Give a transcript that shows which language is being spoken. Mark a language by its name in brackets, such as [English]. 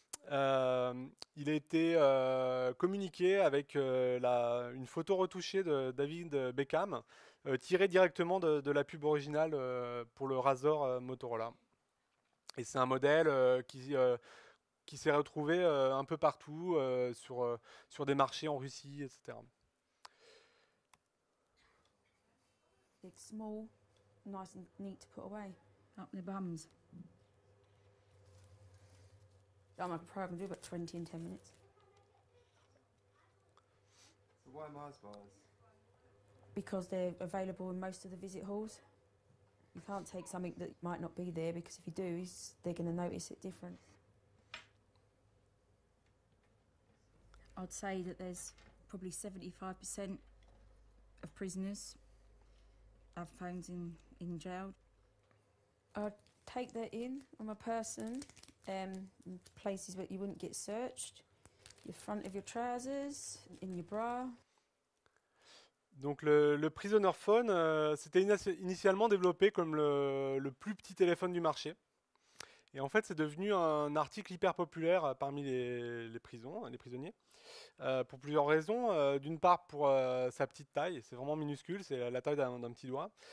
[French] Il a été communiqué avec une photo retouchée de David Beckham, tirée directement de la pub originale pour le Razor Motorola. Et c'est un modèle qui s'est retrouvé un peu partout sur des marchés en Russie, etc. [English] It's small, nice and neat to put away. up their bums. I'm a pro, I can do about 20 in 10 minutes. So why Mars bars? Because they're available in most of the visit halls. You can't take something that might not be there, because if you do, they're going to notice it different. I'd say that there's probably 75% of prisoners have phones in jail. I'd take that in on my person, places where you wouldn't get searched, your front of your trousers, in your bra. [French] Donc le prisoner phone, c'était initialement développé comme le plus petit téléphone du marché. Et en fait, c'est devenu un article hyper populaire parmi les prisons, les prisonniers, pour plusieurs raisons. D'une part, pour sa petite taille, c'est vraiment minuscule, c'est la taille d'un petit doigt.